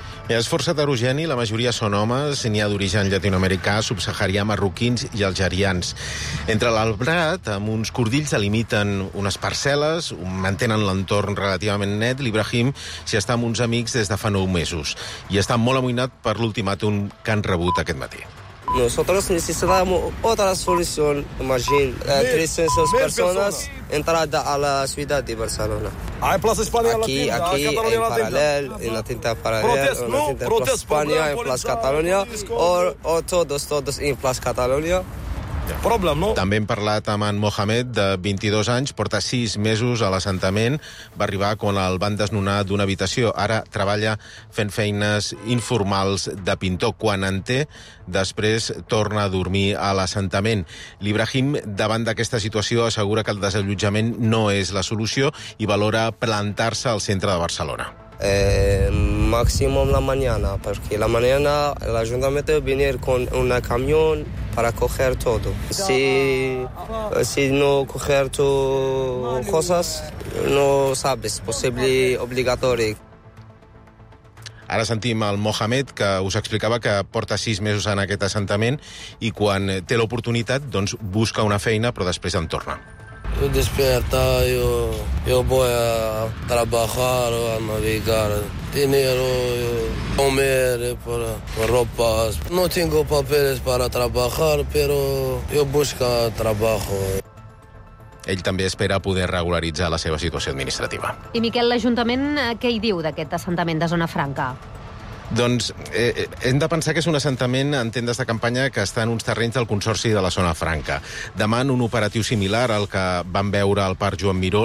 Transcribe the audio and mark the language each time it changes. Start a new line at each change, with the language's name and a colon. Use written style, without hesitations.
Catalan: És força heterogeni, la majoria són homes, n'hi ha d'origen llatinoamericà, subsaharià, marroquins i algerians. Entre l'albrat, amb uns cordills delimiten unes parcel·les, mantenen l'entorn relativament net, l'Ibrahim s'hi està amb uns amics des de fa 9 mesos i està molt amoïnat per l'ultimàtum que han rebut aquest matí.
Spanish: Nosotros necesitamos otra solución. Imagina, 300 persones entradas a la ciudad de Barcelona. Hay Plaza España, aquí, en paralel, en la tinta paralel, en la tinta de Plaza España, en Plaza Catalunya, o todos en Plaza Catalunya. Problem, no?
Catalan: També hem parlat amb en Mohamed, de 22 anys, porta 6 mesos a l'assentament, va arribar quan el van desnonar d'una habitació. Ara treballa fent feines informals de pintor. Quan en té, després torna a dormir a l'assentament. L'Ibrahim, davant d'aquesta situació, assegura que el desallotjament no és la solució i valora plantar-se al centre de Barcelona.
Spanish: Máximo la mañana, porque la mañana el ayuntamiento va a venir con un camión para coger todo. Si no coger tus cosas, no sabes, posible obligatorio.
Catalan: Ara sentim el Mohamed, que us explicava que porta 6 mesos en aquest assentament i quan té l'oportunitat, doncs busca una feina, però després en torna.
Spanish: Yo despierto, yo voy a trabajar, a navegar, dinero, comer, por ropas. No tengo papeles para trabajar, pero yo busco trabajo.
Catalan: Ell també espera poder regularitzar la seva situació administrativa. I Miquel, l'Ajuntament, què hi diu d'aquest assentament de Zona Franca? Doncs hem de pensar que és un assentament en tendes de campanya que està en uns terrenys del Consorci de la Zona Franca. Demanen un operatiu similar al que van veure al Parc Joan Miró.